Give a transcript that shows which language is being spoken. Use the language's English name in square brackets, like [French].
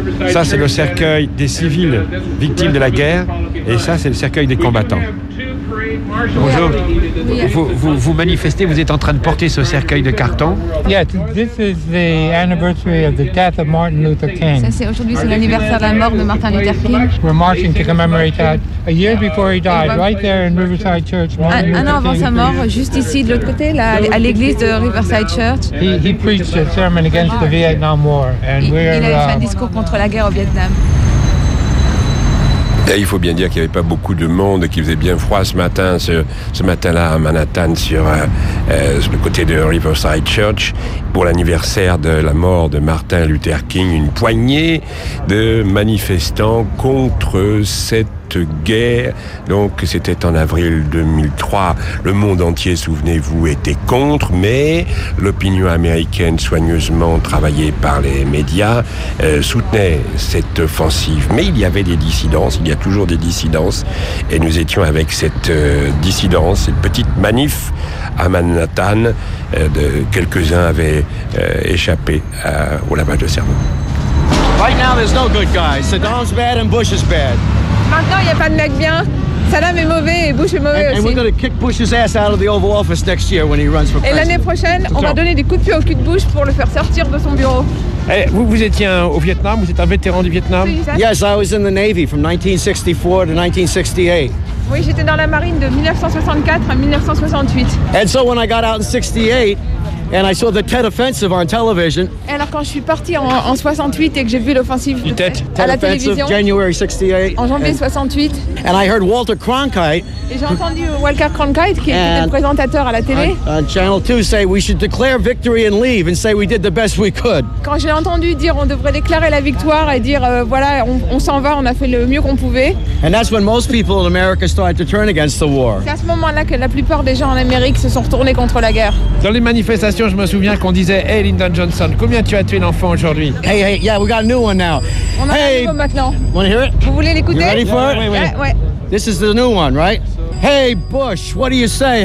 [French] Ça, c'est le cercueil des civils victimes de la guerre. Et ça, c'est le cercueil des combattants. Bonjour. Vous manifestez, vous êtes en train de porter ce cercueil de carton. [English] This is the anniversary of the death of Martin Luther King. [French] Ça, c'est aujourd'hui, c'est l'anniversaire de la mort de Martin Luther King. [English] We're marching to commemorate that a year before he died, right there in Riverside Church. [French] Un an avant sa mort, juste ici de l'autre côté, là, à l'église de Riverside Church. [English] He preached a sermon against the Vietnam War, and we're. [French] Il a fait un discours contre la guerre au Vietnam. Et il faut bien dire qu'il n'y avait pas beaucoup de monde, qu'il faisait bien froid ce matin-là à Manhattan, sur le côté de Riverside Church, pour l'anniversaire de la mort de Martin Luther King, une poignée de manifestants contre cette guerre. Donc c'était en avril 2003, le monde entier, souvenez-vous, était contre, mais l'opinion américaine, soigneusement travaillée par les médias, soutenait cette offensive. Mais il y avait des dissidences, il y a toujours des dissidences, et nous étions avec cette dissidence, cette petite manif à Manhattan, quelques-uns avaient échappé au lavage de cerveau. [English] Right now, there's no good guys. Saddam's bad and Bush is bad. [French] Maintenant, il n'y a pas de mec bien. Saddam est mauvais et Bush est mauvais aussi. [English] And we're going to kick Bush's ass out of the Oval Office next year when he runs for president. [French] Et l'année prochaine, on va donner des coups de pied au cul de Bush pour le faire sortir de son bureau. Hey, vous étiez au Vietnam, vous êtes un vétéran du Vietnam? [English] Yes, I was in the Navy from 1964 to 1968. [French] Oui, j'étais dans la marine de 1964 à 1968. [English] And so when I got out in 68 and I saw the Tet Offensive on television. [French] Et alors quand je suis parti en 68 et que j'ai vu l'offensive de Tet à la télévision. [English] January 68. [French] En janvier 68. [English] And I heard Walter Cronkite. [French] Et j'ai entendu Walter Cronkite qui était le présentateur à la télé. [English] On Channel 2 say we should declare victory and leave and say we did the best we could. [French] Quand j'ai entendu dire on devrait déclarer la victoire et dire voilà, on s'en va, on a fait le mieux qu'on pouvait. [English] And that's when most people in America started to turn against the war. [French] C'est à ce moment-là que la plupart des gens en Amérique se sont retournés contre la guerre. Dans les manifestations, je me souviens qu'on disait, hey Lyndon Johnson, combien tu as tué d'enfants aujourd'hui? [English] Hey, hey, yeah, we got a new one now. [French] On a un nouveau maintenant. [English] Want to hear it? [French] Vous voulez l'écouter? [English] You ready for it? [French] Ouais. [English] This is the new one, right? Hey Bush, what do you say?